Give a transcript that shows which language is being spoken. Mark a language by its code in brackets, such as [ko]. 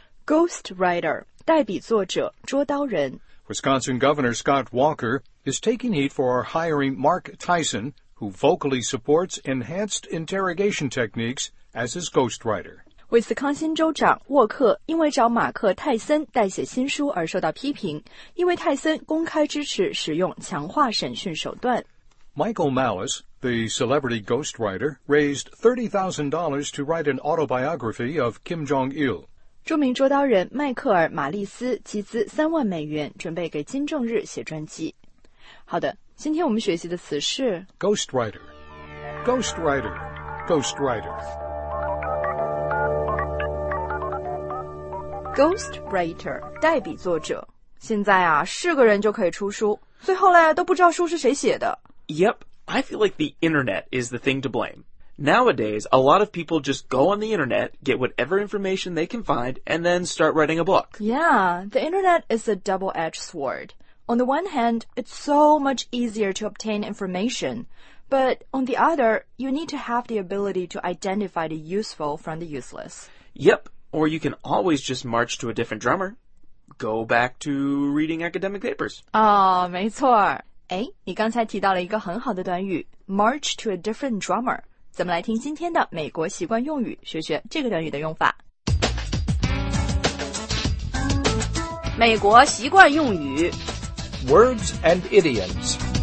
[zh] Ghostwriter, 代笔作者，捉刀人。 [en] Wisconsin Governor Scott Walker is taking heat for hiring Mark Tyson, who vocally supports enhanced interrogation techniques as his ghostwriter. [zh] Wisconsin 州长沃克因为找马克·泰森代写新书而受到批评，因为泰森公开支持使用强化审讯手段。 [en] Michael Malice, the celebrity ghostwriter, raised $30,000 to write an autobiography of Kim Jong-il. [zh] 著名捉刀人迈克尔·马利斯集资$30,000，准备给金正日写传记。好的，今天我们学习的词是 [en] Ghostwriter, Ghostwriter, Ghostwriter. [zh] Ghostwriter, 代笔作者。现在啊，是个人就可以出书，最后呢，都不知道书是谁写的。 [en] Yep, I feel like the internet is the thing to blame. Nowadays, a lot of people just go on the internet, get whatever information they can find, and then start writing a book. Yeah, the internet is a double-edged sword. On the one hand, it's so much easier to obtain information. But on the other, you need to have the ability to identify the useful from the useless. Yep, or you can always just march to a different drummer. Go back to reading academic papers. [zh] Oh, 没错。诶，你刚才提到了一个很好的短语 , [en] march to a different drummer. [zh] 咱们来听今天的美国习惯用语，学学这个短语的用法。美国习惯用语 [en] Words and idioms.